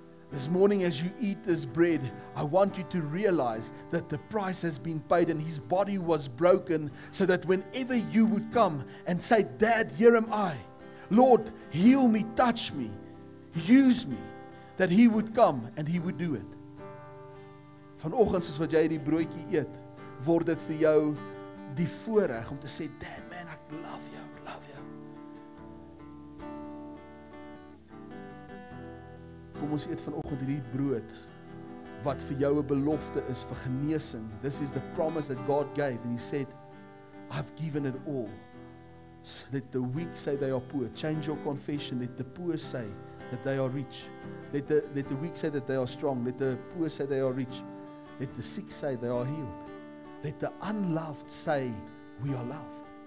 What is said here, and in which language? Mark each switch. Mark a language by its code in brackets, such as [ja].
[en] This morning as you eat this bread, I want you to realize that the price has been paid and his body was broken so that whenever you would come and say, Dad, here am I. Lord, heal me, touch me, use me, that he would come and he would do it. [af] Vanoggend soos wat jy hierdie broodjie eet, word dit vir jou die voorreg om te sê, Dad, man, ek love you. Kom ons eet vanoggend hierdie brood wat vir jou 'n belofte is vir genesing. [en] This is the promise that God gave and he said, I've given it all. So let the weak say they are poor. Change your confession. Let the poor say that they are rich. Let the weak say that they are strong. Let the poor say they are rich. Let the sick say they are healed. Let the unloved say we are loved.